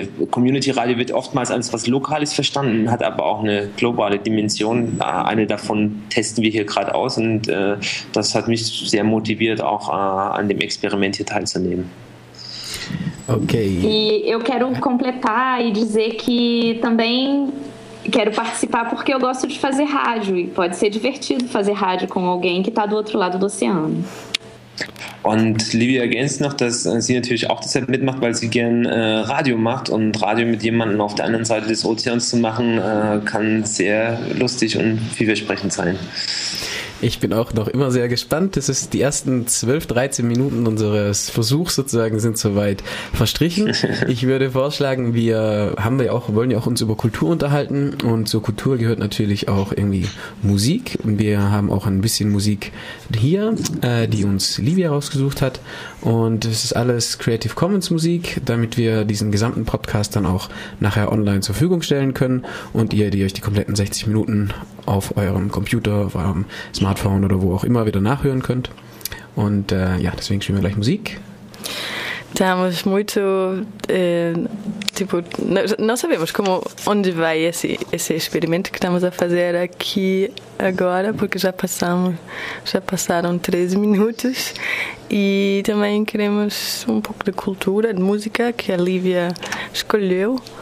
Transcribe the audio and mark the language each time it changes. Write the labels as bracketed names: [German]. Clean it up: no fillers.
[German] Community Radio wird oftmals als was Lokales verstanden, hat aber auch eine globale Dimension. Eine davon testen wir hier gerade aus, und das hat mich sehr motiviert, auch an dem Experiment hier teilzunehmen. Okay. [Portuguese] E eu quero completar e dizer que também quero participar porque eu gosto de fazer rádio, e pode ser divertido fazer rádio com alguém que está do outro lado do oceano. [German] Und Livia ergänzt noch, dass sie natürlich auch deshalb mitmacht, weil sie gern Radio macht, und Radio mit jemandem auf der anderen Seite des Ozeans zu machen, kann sehr lustig und vielversprechend sein. Ich bin auch noch immer sehr gespannt. Das ist die ersten 12, 13 Minuten unseres Versuchs sozusagen sind soweit verstrichen. Ich würde vorschlagen, wir wollen ja auch uns über Kultur unterhalten, und zur Kultur gehört natürlich auch irgendwie Musik. Wir haben auch ein bisschen Musik hier, die uns Livia rausgesucht hat, und es ist alles Creative Commons Musik, damit wir diesen gesamten Podcast dann auch nachher online zur Verfügung stellen können und ihr, die euch die kompletten 60 Minuten auf eurem Computer, auf eurem Smartphone oder wo auch immer wieder nachhören könnt. Und deswegen spielen wir gleich Musik. [Portuguese] Temos muito, tipo, não sabemos como, onde vai esse experimento que estamos a fazer aqui agora, porque já passaram 13 minutos, e também queremos um pouco de cultura, de música, que a Lívia escolheu,